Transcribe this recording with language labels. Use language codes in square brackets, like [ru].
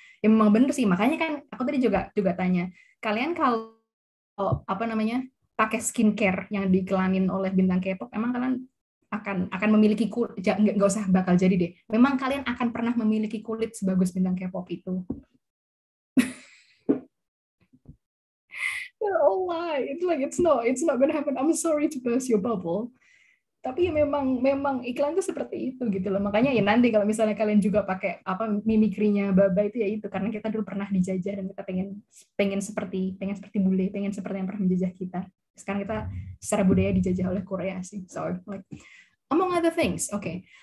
[id] Ya memang benar sih, makanya kan aku tadi juga tanya, kalian kalau apa namanya pakai skincare yang diiklanin oleh bintang K-pop, emang kalian akan memiliki kulit, nggak usah bakal jadi deh, memang kalian akan pernah memiliki kulit sebagus bintang K-pop itu? [en] Ya Allah, it's not gonna happen, I'm sorry to burst your bubble. [id] Tapi ya memang iklan tuh seperti itu gitu loh. Makanya ya nanti kalau misalnya kalian juga pakai apa mimikrinya Baba itu, ya itu karena kita dulu pernah dijajah dan kita pengen seperti bule, pengen seperti yang pernah menjajah kita. Sekarang kita secara budaya dijajah oleh Korea sih. [en] So like among other things. [id] Oke. Okay.